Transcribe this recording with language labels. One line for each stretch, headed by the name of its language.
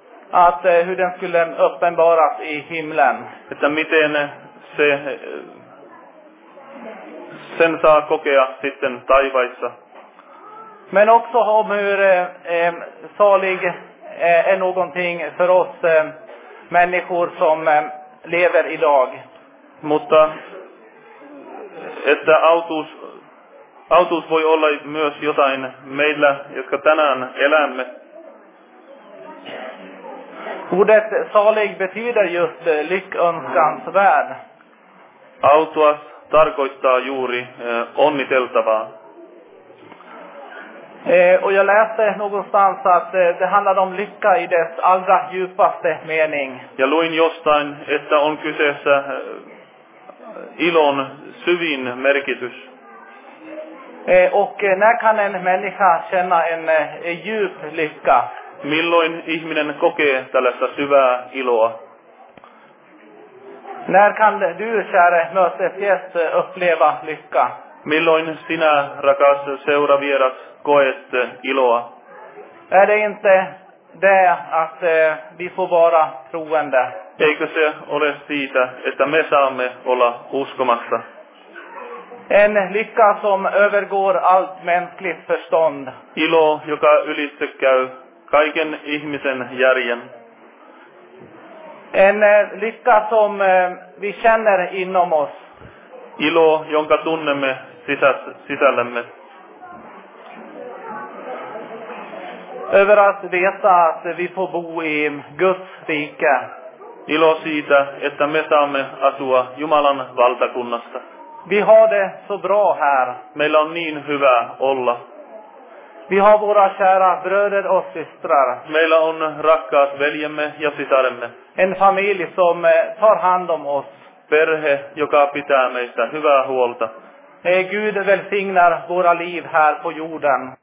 Swedish: Att hur den skulle uppenbaras i himlen.
Finnish: Että miten se sen saa kokea sitten taivaissa.
Swedish: Men också om hur salig är någonting för oss människor som lever idag.
Finnish: Mutta että autuus voi olla myös jotain meillä, jotka tänään elämme.
Swedish: Ordet salig betyder just lyckönskans värd.
Finnish: Autuas tarkoittaa juuri onniteltavaa.
Swedish: Och jag läste någonstans att det handlar om lycka i dess allra djupaste mening.
Finnish: Jag luin jostain, että on kyseessä ilon syvin merkitys.
Swedish: Och när kan en människa känna en djup lycka?
Finnish: Milloin ihminen kokee tällaista syvää iloa?
Swedish: När kan du, käre mötesgäst, uppleva lycka?
Finnish: Milloin sinä, rakas seuravieras, koet iloa?
Swedish: Är det inte det att vi får vara troende?
Finnish: Eikö se ole siitä, että me saamme olla uskomassa?
Swedish: En lycka som övergår allt mänskligt förstånd.
Finnish: Ilo, joka ylittykäy kaiken ihmisen järjen.
Swedish: En lycka som vi känner inom oss.
Finnish: Ilo, jonka tunnemme sisällämme.
Swedish: Över att veta att vi får bo i Guds rike.
Finnish: Ilo siitä, että me saamme asua Jumalan valtakunnassa.
Swedish: Vi har det så bra här.
Finnish: Meillä on niin hyvä olla.
Swedish: Vi har våra kära bröder och systrar.
Finnish: Meillä on rakkaat veljemme ja sisaremme.
Swedish: En familj som tar hand om oss.
Finnish: Perhe, joka pitää meistä hyvää huolta.
Swedish: Gud välsignar våra liv här på jorden.